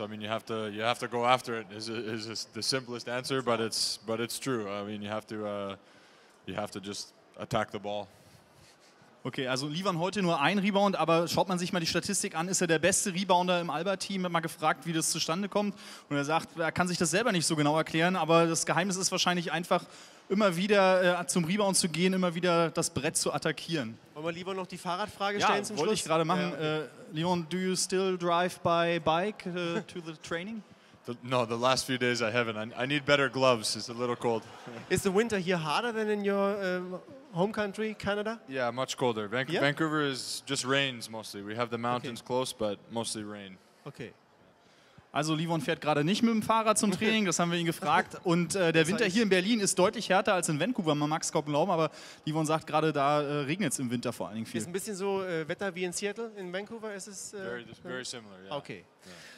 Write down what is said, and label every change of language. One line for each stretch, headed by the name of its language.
English: I mean, you have to go after it. Is the simplest answer, but it's true. I mean, you have to just attack the ball.
German: Okay, also liefern heute nur ein Rebound, aber schaut man sich mal die Statistik an, ist er der beste Rebounder im Alba-Team? Hat mal gefragt, wie das zustande kommt. Und er sagt, er kann sich das selber nicht so genau erklären, aber das Geheimnis ist wahrscheinlich einfach, immer wieder zum Rebound zu gehen, immer wieder das Brett zu attackieren. Wollen wir lieber noch die Fahrradfrage stellen zum Schluss? Ja, wollte ich gerade machen. Ja, okay.
English: Leon, do you still drive by bike to the training? No, the last few days I haven't. I need better gloves, it's a little cold. Is the winter here harder than in your... home country, Canada? Yeah, much colder. Vancouver is just rains mostly. We have the mountains close, but mostly rain. Okay.
German: Also Livon fährt gerade nicht mit dem Fahrrad zum Training, das haben wir ihn gefragt. Und der Winter hier in Berlin ist deutlich härter als in Vancouver, man mag es kaum glauben, aber Livon sagt gerade, da regnet es im Winter vor allen Dingen viel. Ist ein bisschen so Wetter wie in Seattle, in Vancouver ist es...
English: Very similar, yeah. Okay. Yeah.